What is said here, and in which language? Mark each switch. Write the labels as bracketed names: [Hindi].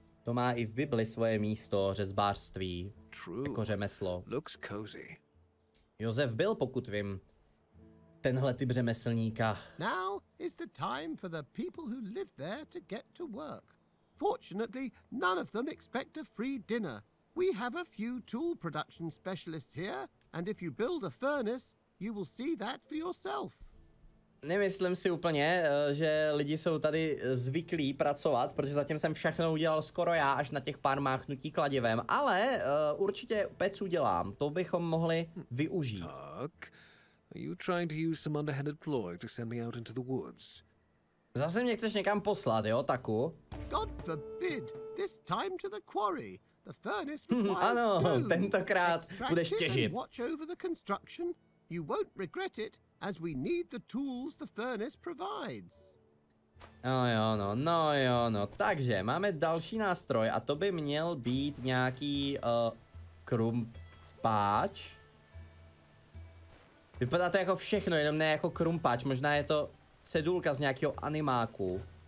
[Czech] To má i v Bibli svoje místo, řezbářství. [English] True. [Czech] Jako řemeslo. [English] Looks cozy. [Czech] Josef byl, pokud vím, tenhle typ řemeslníka. [English] Now is the time for the people who live there to get to work. Fortunately, none of them expect a free dinner. We have a few tool production specialists here, and if you build a furnace, you will see that for yourself. [Czech] Nemyslím si úplně, že lidi jsou tady zvyklí pracovat, protože zatím jsem všechno udělal skoro já, až na těch pár máchnutí kladivem, ale určitě pec udělám, to bychom mohli využít. Tak, [English] Are you trying to use some underhanded ploy to send me out into the woods? [Czech] Zase mě chceš někam poslat, jo, taku? [English] God forbid! This time to the quarry. The furnace requires [Czech] ano, [English] stone. [Czech] Tentokrát budeš těžit. [English] Watch over the construction. You won't regret it, as we need the tools the furnace provides. [Czech] No jo, takže máme další nástroj a to by měl být nějaký krumpáč. Vypadá to jako všechno, jenom ne jako krumpáč, možná je to cedulka z nějakého animáku.